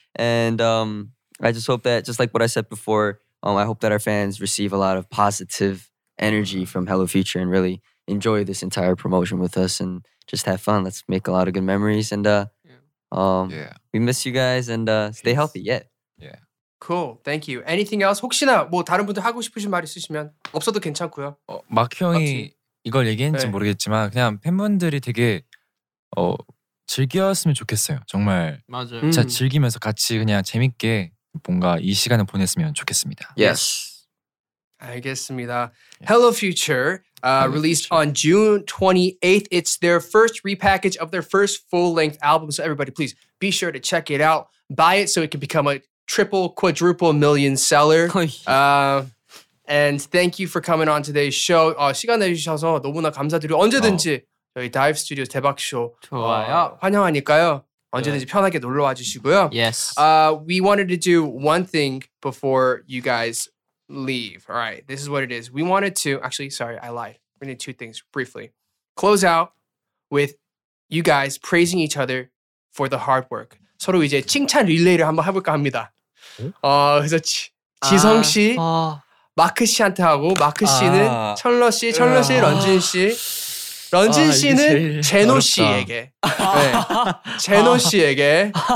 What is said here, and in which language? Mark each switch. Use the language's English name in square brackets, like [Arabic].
[English] And I just hope that, just like what I said before, I hope that our fans receive a lot of positive energy from Hello Future and really enjoy this entire promotion with us and just have fun. Let's make a lot of good memories and… we miss you guys and stay healthy. Yeah. Cool. Thank you. Anything else? [Korean] 혹시나 뭐 다른 분들 하고 싶으신 말 있으시면 없어도 괜찮고요. 마크 형이 이걸 얘기했는지 네. 모르겠지만 그냥 팬분들이 되게 즐겨왔으면 좋겠어요. 정말. 맞아요. 진짜 즐기면서 같이 그냥 재밌게 뭔가 이 시간을 보냈으면 좋겠습니다. [English] Yes. [Korean] 알겠습니다. [English] Hello Future. Released on June 28th. It's their first repackage of their first full-length album. So everybody, please be sure to check it out. Buy it so it can become a triple, quadruple million seller. And thank you for coming on today's show. [Korean] 시간 내주셔서 너무나 감사드리고 언제든지 저희 Dive Studios 대박쇼 환영하니까요. 언제든지 편하게 놀러 와주시고요. [English] Yes. We wanted to do one thing before you guys leave. All right. This is what it is. We wanted to… Actually, sorry. I lied. We're going to do two things briefly. Close out with you guys praising each other for the hard work. [Korean] 서로 이제 칭찬 릴레이를 한번 해볼까 합니다. 그래서 지성 씨, 마크 씨한테 하고 마크 씨는 철러 씨, 철러 씨, 런쥔 씨. 런쥔 씨는 제노 씨에게. 네. 제노 씨에게.